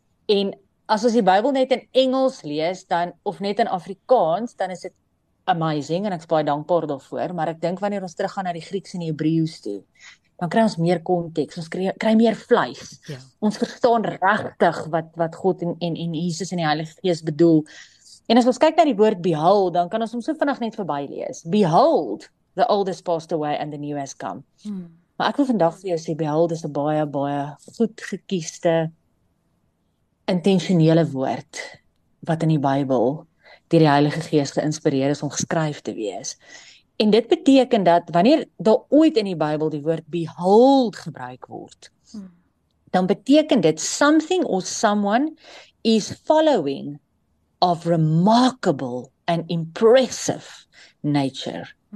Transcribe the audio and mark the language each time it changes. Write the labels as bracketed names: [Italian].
[Afrikaans] En as ons die Bybel net in Engels lees dan of net in Afrikaans, dan is dit amazing en ek is baie dankbaar daarvoor, maar ek dink wanneer ons teruggaan na die Grieks en die Hebreëus toe, dan kry ons meer konteks, ons kry meer vleis. Ja. Ons verstaan regtig wat God en Jesus en die Heilige Gees bedoel. En as ons kyk na die woord behold, dan kan ons hom so vinnig net verby lees. [English] Behold, the old is passed away and the new has come. [Afrikaans] Maar ek wil vandag vir jou sê, behold is 'n baie, baie goed gekieste, intentionele woord, wat in die Bybel deur die Heilige Gees geïnspireer is om geskryf te wees. En dit beteken dat wanneer daar ooit in die Bybel die woord behold gebruik word, dan beteken dit [English] something or someone is following of remarkable and impressive nature.